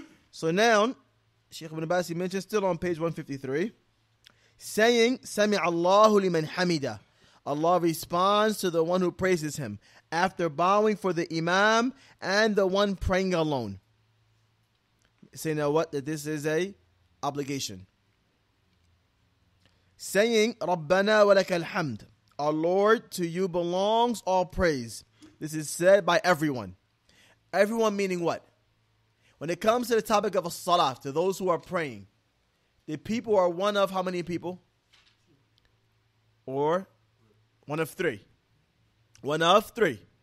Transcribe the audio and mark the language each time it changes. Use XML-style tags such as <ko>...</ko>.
<en>So now, Sheikh Ibn Abbas, he mentions still on page 153, saying,</en> <ar>سَمِعَ اللَّهُ لِمَنْ حَمِدَ.</ar> <en>Allah responds to the one who praises him after bowing for the imam and the one praying alone. Saying now what? That this is a obligation. Saying,</en> <ar>رَبَّنَا وَلَكَ الْحَمْدُ.</ar> <en>Our Lord, to you belongs all praise. This is said by everyone. Everyone meaning what? When it comes to the topic of a salah, to those who are praying, the people are one of how many people? Or one of three. One of three.</en>